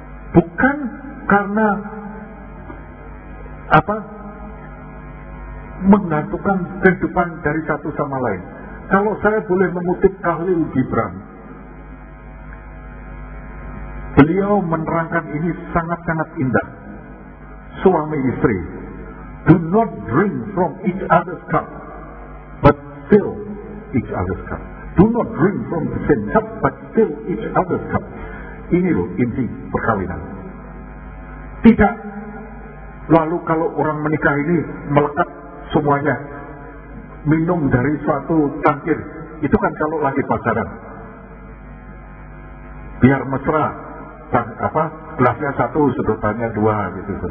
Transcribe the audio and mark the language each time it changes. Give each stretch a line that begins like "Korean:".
Indonesian: Bukan karena apa, menggantungkan kehidupan dari satu sama lain. Kalau saya boleh mengutip Khalil Gibran, beliau menerangkan ini sangat-sangat indah. Suami istri,
English: do not drink from each other's cup, but fill each other's cup. Do not drink from the same cup, but fill each other's cup.
Indonesian: Ini loh inti perkawinan. Tidak lalu kalau orang menikah ini melekat semuanya, minum dari suatu cangkir. Itu kan kalau lagi pacaran. Biar mesra. Dan apa, gelasnya satu, sedotannya dua, gitu.